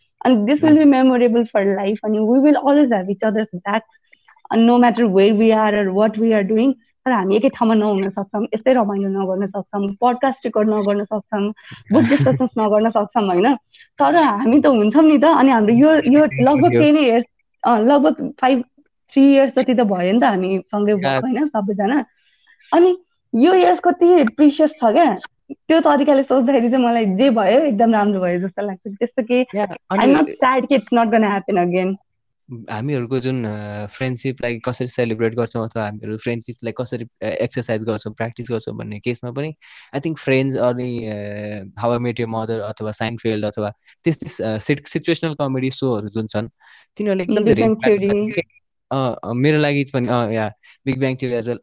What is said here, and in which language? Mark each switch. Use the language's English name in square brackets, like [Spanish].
[English] अनि this will be memorable for life, अनि we will always have each others backs, अनि no matter where we are or what we are doing. [Nepali] तर हामी एकै ठाउँमा नहुन सक्छौँ, यस्तै रमाइलो नगर्न सक्छौँ, पडकास्ट रेकर्ड नगर्न सक्छौँ, बुक डिस्कसन्स नगर्न सक्छौँ होइन. तर हामी त हुन्छौँ नि त. अनि हाम्रो यो यो लगभग 10 इयर्स, लगभग 5-3 इयर्स जति त भयो नि त हामी सँगै भएको होइन सबैजना. अनि यो इयर्स कति प्रिसियस छ क्या. त्यो तरिकाले सोच्दाखेरि चाहिँ मलाई जे भयो एकदम राम्रो भयो जस्तो लाग्छ. त्यस्तो के, [English] I am not sad कि it's not gonna happen again. [Nepali] हामीहरूको जुन फ्रेन्डसिपलाई कसरी सेलिब्रेट गर्छौँ अथवा हामीहरू फ्रेन्डसिपलाई कसरी एक्सर्साइज गर्छौँ, प्र्याक्टिस गर्छौँ भन्ने केसमा पनि [English] I think [Nepali] फ्रेन्ड्स अनि how I met your mother अथवा साइनफिल्ड अथवा त्यस्तै सिचुएसनल कमेडी सोहरू जुन छन् तिनीहरूले एकदम धेरै मेरो लागि पनि या बिग ब्याङ थियो एज वेल.